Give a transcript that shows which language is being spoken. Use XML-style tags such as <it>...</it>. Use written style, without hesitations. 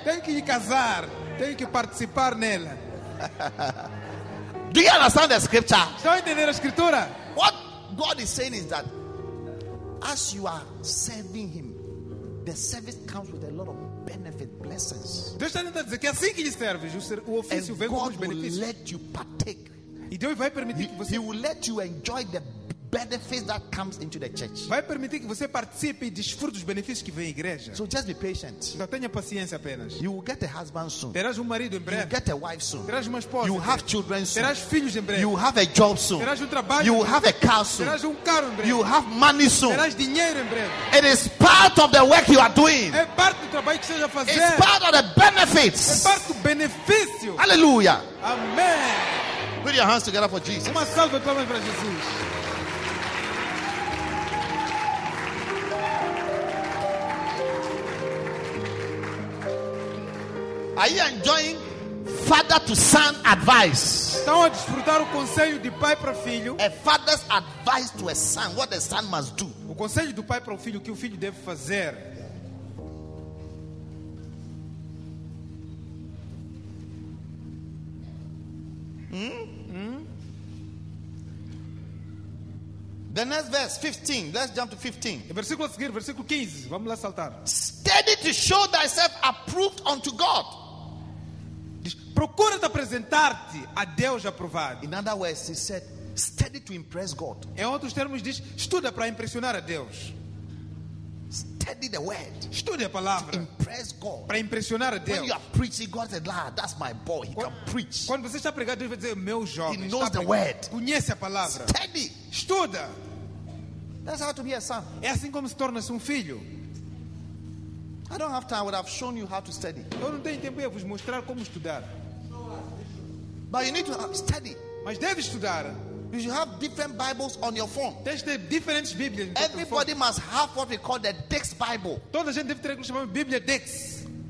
<pt>Tem que casar. Tem que participar nela.</pt> <en>Do you understand the scripture?</en> <pt>Estão entendendo a escritura?</pt> <en>What God is saying is that as you are serving Him, the service comes with a lot of benefit, blessings.</en> <pt>Deus está tentando dizer que assim que lhe serves, o ofício vem com os benefícios.</pt> <en>God will let you partake.</en> <pt>E Deus vai permitir que você.</pt> <en>He will let you enjoy the benefits that comes into the church.</en> <pt>Vai permitir que você participe e desfrute dos benefícios que vem à igreja.</pt> <en>So just be patient.</en> <pt>Então tenha paciência apenas.</pt> <en>You will get a husband soon.</en> <pt>Terás marido em breve.</pt> <en>You will get a wife soon.</en> <pt>Terás uma esposa.</pt> <en>You will have children soon.</en> <pt>Terás filhos em breve.</pt> <en>You will have a job soon.</en> <pt>Terás trabalho.</pt> <en>You will have a car soon.</en> <pt>Terás carro em breve.</pt> <en>You will have money soon.</en> <pt>Terás dinheiro em breve.</pt> <en>It is part of the work you are doing.</en> <pt>É parte do trabalho que esteja a fazer.</pt> <en>It's part of the benefits.</en> <pt>É parte do benefício.</pt> <en>Hallelujah. Amen. Put your hands together for Jesus.</en> <pt>Uma salva de palmas para Jesus.</pt> <en>Are you enjoying father to son advice?</en> <pt>Estão a desfrutar o conselho de pai para filho?</pt> <en>A father's advice to a son, what the son must do.</en> <pt>O conselho do pai para o filho, o que o filho deve fazer?</pt> <en>The next verse, 15. Let's jump to 15.</en> <pt>Versículo a seguir, versículo 15. Vamos lá saltar.</pt> <en>Steady to show thyself approved unto God.</en> <pt>Procura te apresentar-te a Deus aprovado.</pt> <en>In other words, he said, study to impress God.</en> <pt>Em outros termos, diz, estuda para impressionar a Deus.</pt> <en>Study the word.</en> <pt>Estude a palavra.</pt> <en>To impress God.</en> <pt>Para impressionar a Deus.</pt> <en>When you are preaching, God said, "Lah, that's my boy. He can preach."</en> <pt>Quando você está pregando, Deus vai dizer, meu jovem.</pt> <en>He knows the word.</en> <pt>Conhece a palavra.</pt> <en>Study.</en> <pt>Estuda.</pt> <en>That's how to be a son.</en> <pt>É assim como se torna-se filho.</pt> <en>I don't have time, but I've shown you how to study.</en> <pt>Eu não tenho tempo, eu vou mostrar como estudar.</pt> <en>But you need to study.</en> <pt>Mas deve estudar.</pt> <en>You should have different Bibles on your phone.</en> <pt>Tens de ter diferentes Bíblias.</pt> <en>Everybody phone. Must have what we call the Dex Bible.</en> <pt>Toda a gente deve ter o que chamamos Bíblia Dex.</pt>